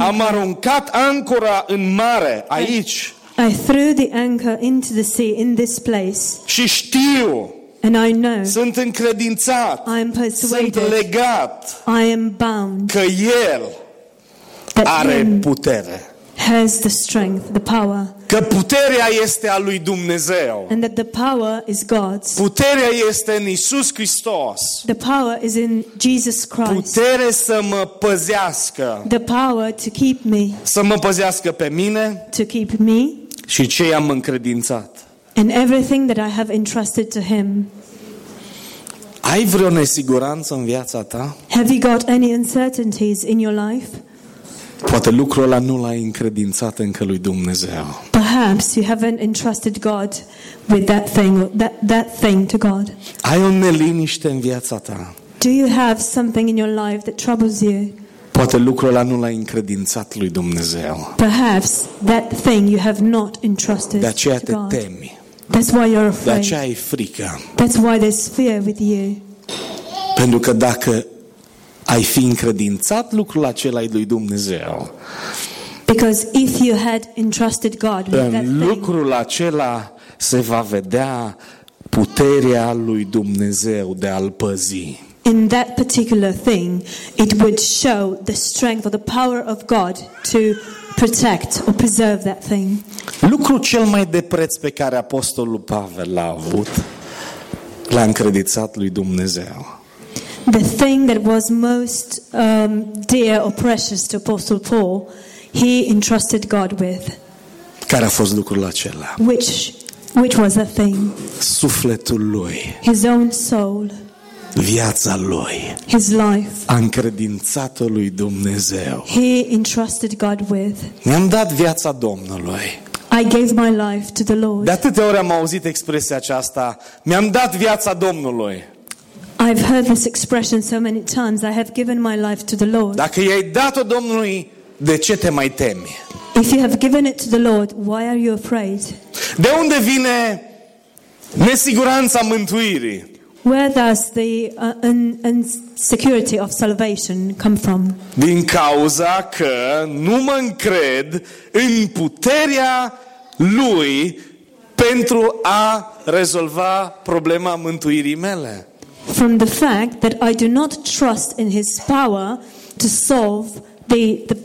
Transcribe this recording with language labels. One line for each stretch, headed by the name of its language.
Romanian: Am aruncat ancora în mare, aici.
English: I threw the anchor into the sea in this place.
Romanian: Și știu.
English: And I know.
Romanian: Sunt încredințat.
English: I am persuaded.
Romanian: Sunt legat.
English: I am bound.
Romanian: Că El are putere.
English: Has the strength, the power.
Romanian: Că puterea este a lui Dumnezeu.
English: And that the power is God's.
Romanian: Puterea este în Iisus Hristos.
English: The power is in Jesus Christ.
Romanian: Putere să mă păzească.
English: The power to keep me.
Romanian: Să mă păzească pe mine.
English: To keep me.
Romanian: Și ce i-am încredințat.
English: And everything that I have entrusted to him.
Romanian: Ai vreo nesiguranță în viața ta?
English: Have you got any uncertainties in your life?
Romanian: Poate lucrul ăla nu l-ai încredințat încă lui Dumnezeu.
English: Perhaps you haven't entrusted God with that thing to God.
Romanian: Ai o neliniște în viața ta.
English: Do you have something in your life that troubles you?
Romanian: Poate lucrul ăla nu l-ai încredințat lui Dumnezeu.
English: Perhaps that thing you have not entrusted.
Romanian: De aceea te temi.
English: That's why you're afraid.
Romanian: De aceea ai frică.
English: That's why there's fear with you.
Romanian: Pentru că dacă ai fi încredințat lucrul acela lui Dumnezeu.
English: Because if you had entrusted God with that thing,
Romanian: lucrul acela se va vedea puterea lui Dumnezeu de a-l păzi.
English: In that particular thing, it would show the strength or the power of God to protect or preserve that thing.
Romanian: Lucrul cel mai de preț pe care apostolul Pavel l-a avut, l-a încredințat lui Dumnezeu.
English: The thing that was most dear or precious to Apostle Paul, he entrusted God with.
Romanian: Care a fost lucrul acela?
English: Which was the thing?
Romanian: Sufletul lui.
English: His own soul.
Romanian: Viața lui.
English: His life.
Romanian: A încredințat-o lui Dumnezeu.
English: He entrusted God with.
Romanian: Mi-am dat viața Domnului.
English: I gave my life to the Lord.
Romanian: De atâtea ori am auzit expresia aceasta. Mi-am dat viața Domnului.
English: I've heard this expression so many times. I have given my life to the Lord.
Romanian: Dacă i-ai dat-o Domnului, de ce te mai temi?
English: If you have given it to the Lord, why are you afraid?
Romanian: De unde vine nesiguranța mântuirii?
English: Where does the insecurity of salvation come from?
Romanian: Din cauza că nu mă încred în puterea lui pentru a rezolva problema mântuirii mele.
English: From the fact that I do not trust in his power to solve the